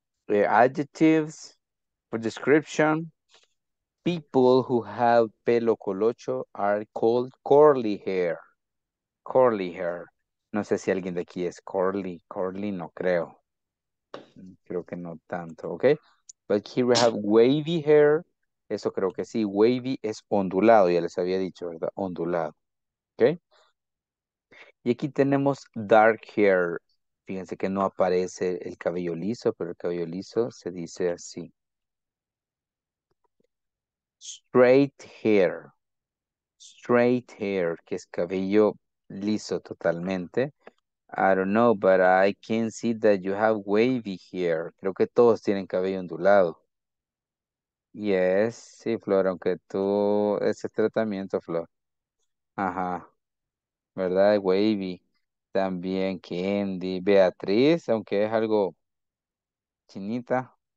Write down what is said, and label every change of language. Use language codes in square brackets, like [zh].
[en] Adjectives for description. People who have pelo colocho are called curly hair. Curly hair. [es] No sé si alguien de aquí es curly. Curly, no creo. Creo que no tanto, okay? [en] But here we have wavy hair. [es] Eso creo que sí. Wavy es ondulado, ya les había dicho, ¿verdad? Ondulado, okay? Y aquí tenemos dark hair. Fíjense que no aparece el cabello liso, pero el cabello liso se dice así. Straight hair. straight hair, que es cabello liso totalmente. [en] I don't know, but I can see that you have wavy hair. [es] Creo que todos tienen cabello ondulado. Yes, sí, Flor, aunque tú, ese tratamiento, Flor. Ajá, ¿verdad? Wavy. También Candy, Beatriz, aunque es algo chinita.